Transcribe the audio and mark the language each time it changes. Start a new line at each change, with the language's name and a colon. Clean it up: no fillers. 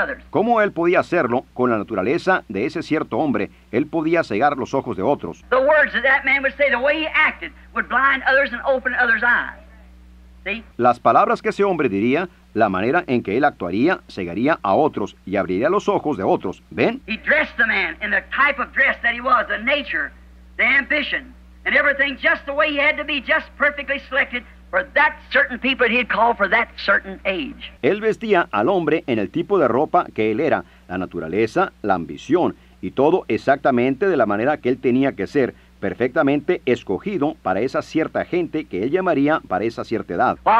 Spanish: ¿Cómo él podía hacerlo con la naturaleza de ese cierto hombre? Él podía cegar los ojos de otros.
English: The words that man would say, the way he acted, would blind others and open others' eyes.
Spanish: Las palabras que ese hombre diría, la manera en que él actuaría, cegaría a otros y abriría los ojos de otros. ¿Ven?
English: He dressed the man in the type of dress that he was, the nature, the ambition, and everything just the way he had to be, just perfectly selected for that certain people that he had called for that certain age.
Spanish: Él vestía al hombre en el tipo de ropa que él era, la naturaleza, la ambición, y todo exactamente de la manera que él tenía que ser, perfectamente escogido para esa cierta gente que él llamaría para esa cierta edad.